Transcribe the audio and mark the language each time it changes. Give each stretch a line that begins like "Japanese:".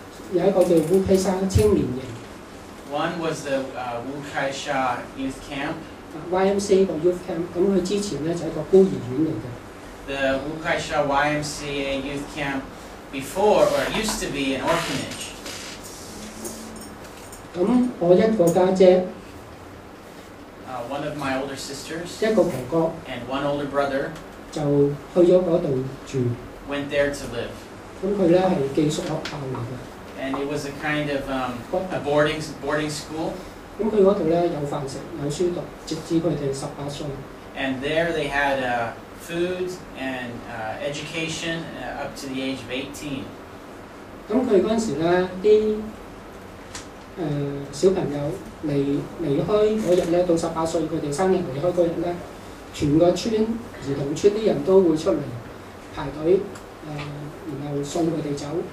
Cantonese: 有一個叫烏溪沙青年營。
English: One was the Wu Kai Sha Youth Camp.
Cantonese: YMCA 個 Youth Camp， 咁佢之前咧就係個孤兒院嚟嘅。
English: The Wu Kai Sha YMCA Youth Camp before or used to be an orphanage.
Cantonese: 咁我一個家姐。
English: One of my older sisters.
Cantonese: 一個哥哥。
English: And one older brother.
Cantonese: 就去咗嗰度住。
English: Went there to live.
Cantonese: 咁佢咧係寄宿學校嚟嘅。
English: And it was a kind of a boarding school.
Cantonese: 咁佢嗰度咧有飯食有書讀，直至佢哋十八歲。
English: And there they had food and education up to the age of 18.
Cantonese: 咁佢嗰陣時咧，啲小朋友離開嗰日咧，到十八歲佢哋生日離開嗰日咧，全個村兒童村啲人都會出嚟排隊然後送佢哋走。